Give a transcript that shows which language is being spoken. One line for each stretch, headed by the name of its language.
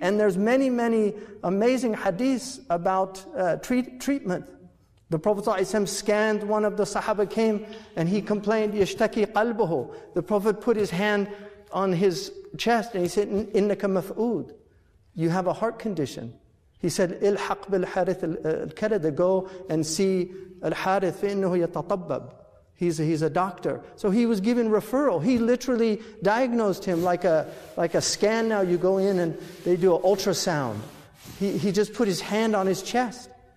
English: And there's many, many amazing hadiths about treatment. The Prophet ﷺ scanned, one of the Sahaba came and he complained,
Arabic: يَشْتَكِي قَلْبُهُ.
English: The Prophet put his hand on his chest and he said,
Arabic: إِنَّكَ مَفْعُود.
English: You have a heart condition. He said,
Arabic: إِلْحَقْ بِالْحَارِثِ الْكَرَدَ.
English: Go and see
Arabic: الْحَارِثِ فَإِنَّهُ يَتَطَبَّبْ.
English: He's a doctor. So he was given referral. He literally diagnosed him like a scan now. You go in and they do an ultrasound. He just put his hand on his chest.